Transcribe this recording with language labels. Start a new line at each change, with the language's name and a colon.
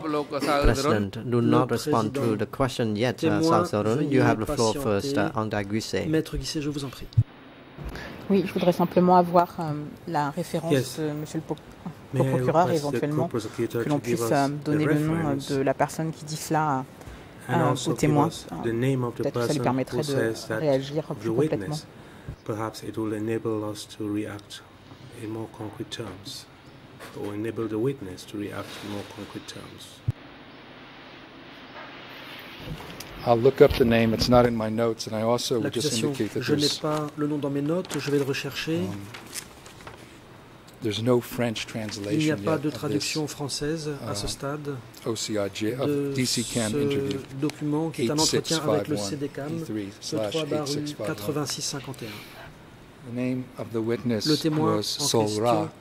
English: President, do not respond to the question yet, Sao Sarun. You have the floor first, André Guisset.
French: Maître Guisset, je vous en prie. Oui, je voudrais simplement avoir la référence de M. le procureur, éventuellement, que l'on puisse donner le nom de la personne qui dit cela au témoin. Peut-être que ça lui permettrait de réagir plus complètement.
English: Perhaps it will enable us to react in more concrete terms, or enable the witness to react in more concrete terms. I'll look up the name. It's not in my notes, and I also would just indicate that there's.
French: Je n'ai pas le nom dans mes notes. Je vais le rechercher.
English: There's no French translation.
French: Il n'y a pas de traduction française à ce stade.
English: OCIG of DC CAM interview.
French: Ce document qui est un entretien avec le CDCAM, 3/86-51.
English: The name of the witness was Sol Ra.